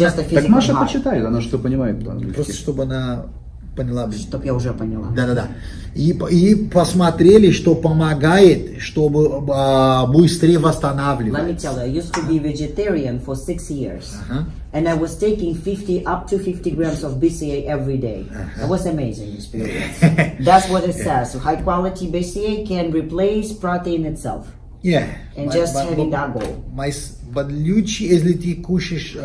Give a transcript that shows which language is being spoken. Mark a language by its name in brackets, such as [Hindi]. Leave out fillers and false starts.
[Russian] Так Маша почитает, она что понимает по-английски. Просто чтобы она поняла. Чтобы я уже поняла. Да. И посмотрели, что помогает, чтобы быстрее восстанавливать. [English] Let me tell you, I used to be vegetarian for 6 years. Uh-huh. And I was taking 50, up to 50 grams of BCAA every day. Uh-huh. It was amazing experience. That's what it says. So high quality BCAA can replace protein itself. Yeah. And just having that goal. [Russian] But лучше, если ты кушаешь...